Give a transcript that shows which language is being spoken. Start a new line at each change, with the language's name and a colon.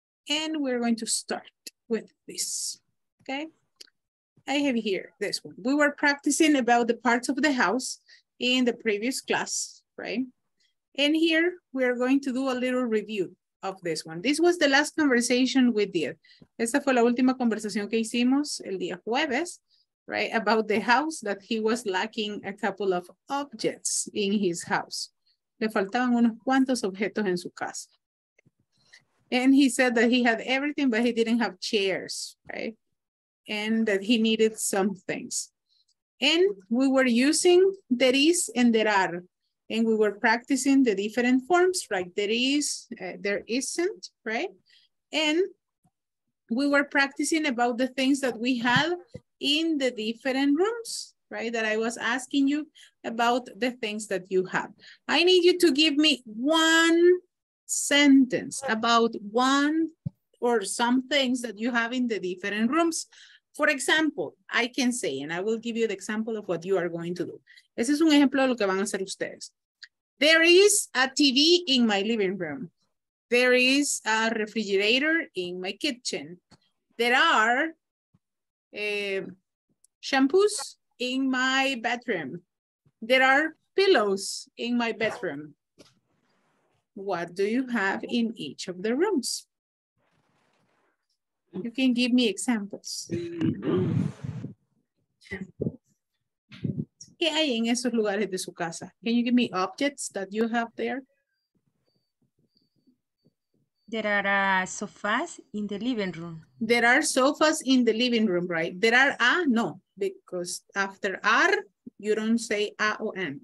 English: And we're going to start with this, okay? I have here this one. We were practicing about the parts of the house in the previous class, right? And here we are going to do a little review of this one. This was the last conversation we did.
Spanish: Esta fue la última conversación que hicimos el día jueves, right?
English: About the house that he was lacking a couple of objects in his house.
Spanish: Le faltaban unos cuantos objetos en su casa.
English: And he said that he had everything, but he didn't have chairs, right? And that he needed some things. And we were using there is and there are. And we were practicing the different forms, right? There isn't, right? And we were practicing about the things that we had in the different rooms, right? That I was asking you about the things that you have. I need you to give me one sentence about one or some things that you have in the different rooms. For example, I can say, and I will give you the example of what you are going to do.
Spanish: Ese es un ejemplo de lo que van a hacer ustedes.
English: There is a TV in my living room. There is a refrigerator in my kitchen. There are shampoos in my bedroom. There are pillows in my bedroom. What do you have in each of the rooms? You can give me examples.
Spanish: ¿Qué hay en esos lugares de su casa?
English: Can you give me objects that you have there? There are sofas in the living room. There are sofas in the living room, right? There are no, because after are, you don't say a o n.